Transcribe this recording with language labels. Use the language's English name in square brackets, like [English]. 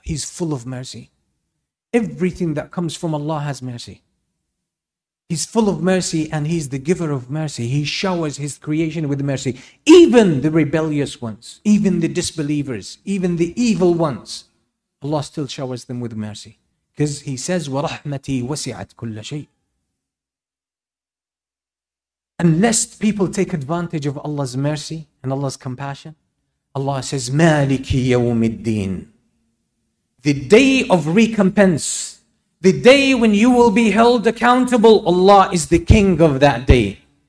[English] He's full of mercy. Everything that comes from Allah has mercy. He's full of mercy and he's the giver of mercy. He showers his creation with mercy. Even the rebellious ones, even the disbelievers, even the evil ones, Allah still showers them with mercy. Because he says, [Arabic] وَرَحْمَتِي وَسِعَتْ كُلَّ شَيْءٍ. [English] Unless people take advantage of Allah's mercy and Allah's compassion, Allah says, [Arabic] مَالِكِ يَوْمِ الدِّينِ. [English] The day of recompense, the day when you will be held accountable, Allah is the king of that day.